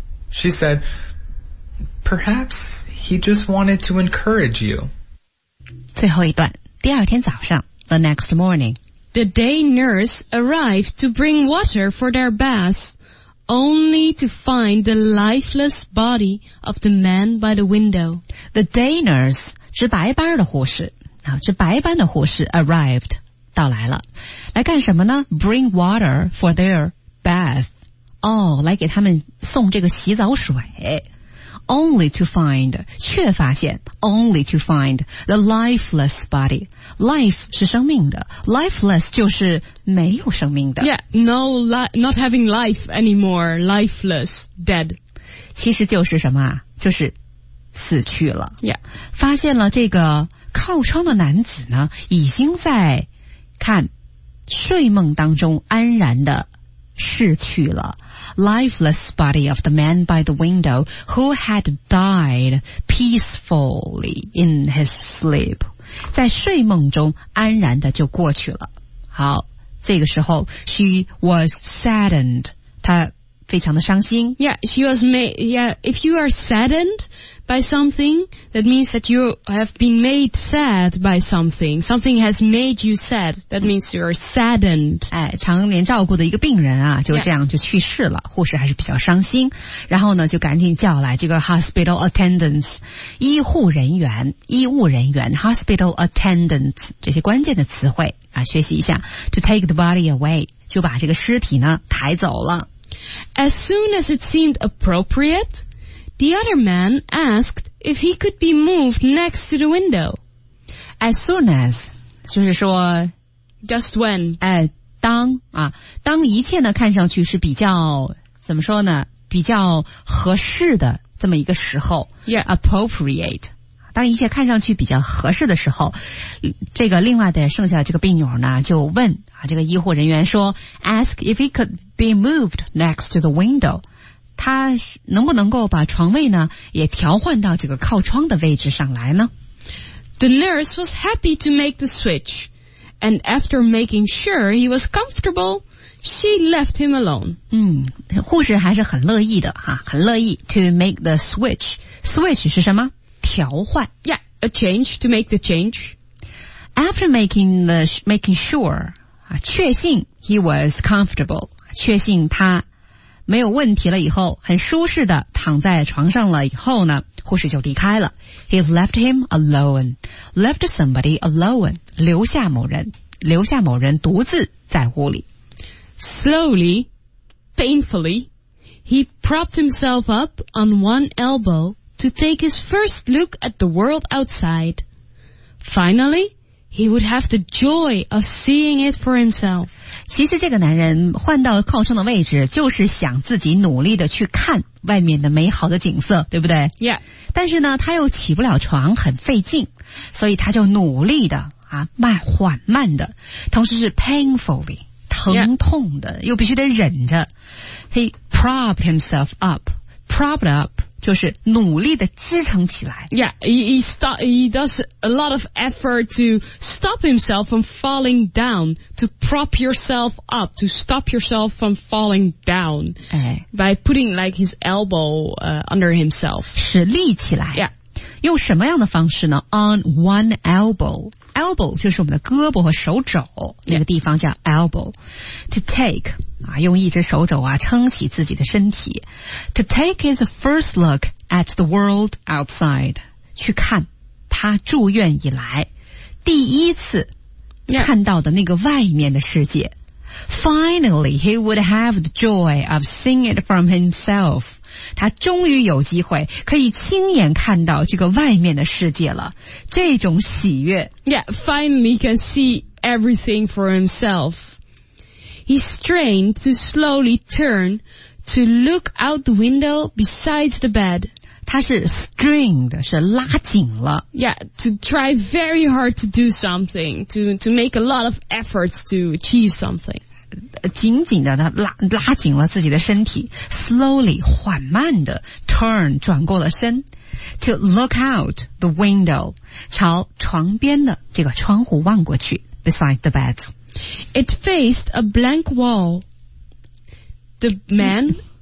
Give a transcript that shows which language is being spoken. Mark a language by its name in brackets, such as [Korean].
[English] She said, perhaps he just wanted to encourage you. [Chinese] 最后一段,第二天早上。 [English] The next morning, the day nurse arrived to bring water for their baths, only to find the lifeless body of the man by the window. The day nurse, [Chinese] 值白班的护士，啊，值白班的护士 [English] arrived, [Chinese] 到来了，来干什么呢 ？ [English] Bring water for their bath, [Chinese] 哦，来给他们送这个洗澡水。 [English] Only to find, [Chinese] 却发现 [English] only to find the lifeless body. [Chinese] Life 是生命的 lifeless 就是没有生命的 [English] Yeah, no, not having life anymore, lifeless, dead. [Chinese] 其实就是什么啊就是死去了 [English] Yeah. [Chinese] 发现了这个靠窗的男子呢已经在看睡梦当中安然的逝去了 [English] Lifeless body of the man by the window who had died peacefully in his sleep. [Chinese] 在睡梦中安然的就过去了。好这个时候 [English] she was saddened. [Chinese] 她非常的伤心。 [English] Yeah, she was made, yeah, if you are saddened by something, that means that you have been made sad by something. Something has made you sad. That means you are saddened. [Chinese] 哎，常年照顾的一个病人啊，就这样就去世了。 [English] Yeah. [Chinese] 护士还是比较伤心，然后呢，就赶紧叫来这个 hospital attendants， 医护人员、医务人员 ，hospital attendants 这些关键的词汇啊，学习一下。 [English] To take the body away， [Chinese] 就把这个尸体呢抬走了。 [English] As soon as it seemed appropriate. The other man asked if he could be moved next to the window. As soon as, [Chinese] 就是说 [English] just when, [Chinese] 哎，当啊，当一切呢看上去是比较怎么说呢，比较合适的这么一个时候 [English] ，yeah, appropriate. 大 [Chinese] 当一切看上去比较合适的时候，这个另外的剩下的这个病友呢就问啊，这个医护人员说 [English] ask if he could be moved next to the window， [Chinese] 他能不能够把床位呢也调换到这个靠窗的位置上来呢？ [English] The nurse was happy to make the switch and after making sure he was comfortableShe left him alone. [Chinese] 护士还是很乐意的啊，很乐意 [English] to make the switch. [Chinese] Switch 是什么？调换。 [English] Yeah, a change, to make the change. After making sure, 啊，确信 he was comfortable, 确信他没有问题了以后，很舒适的躺在床上了以后呢，护士就离开了。 He left him alone. Left somebody alone. [Chinese] 留下某人独自在屋里。 [English] Slowly, painfully, he propped himself up on one elbow to take his first look at the world outside. Finally, he would have the joy of seeing it for himself. [Chinese] 其实这个男人换到靠窗的位置就是想自己努力的去看外面的美好的景色，对不对？ [English] Yeah. [Chinese] 但是呢，他又起不了床，很费劲，所以他就努力的啊，缓慢的，同时是 painfully。疼痛的、 [English] yeah. [Chinese] 又必须得忍着。 [English] He propped himself up. [Chinese] Propped up 就是努力的支撑起来。 [English] Yeah, he does a lot of effort to stop himself from falling down. To prop yourself up. To stop yourself from falling down.、哎、 by putting like his elbow、under himself. [Chinese] 使立起来。 [English] Yeah. [Chinese] 用什么样的方式呢 ? [English] On one elbow. [Chinese] Elbow 就是我们的胳膊和手肘、 [English] yeah. [Chinese] 那个地方叫 elbow. [English] To take, [Chinese] 啊用一只手肘啊撑起自己的身体。 [English] To take his first look at the world outside. [Chinese] 去看他住院以来第一次看到的那个外面的世界。 [English] Yeah. Finally, he would have the joy of seeing it from himself. [Chinese] 他终于有机会可以亲眼看到这个外面的世界了，这种喜悦。 [English] Yeah, finally can see everything for himself. He strained to slowly turn to look out the window besides the bed. [Chinese] 他是 strained, 是拉紧了。 [English] Yeah, to try very hard to do something, to make a lot of efforts to achieve something. [Chinese] 紧紧的拉紧了自己的身体 slowly 缓慢的 turn 转过了身 [English] to look out the window [Chinese] 朝床边的这个窗户望过去 [English] beside the bed it faced a blank wall the man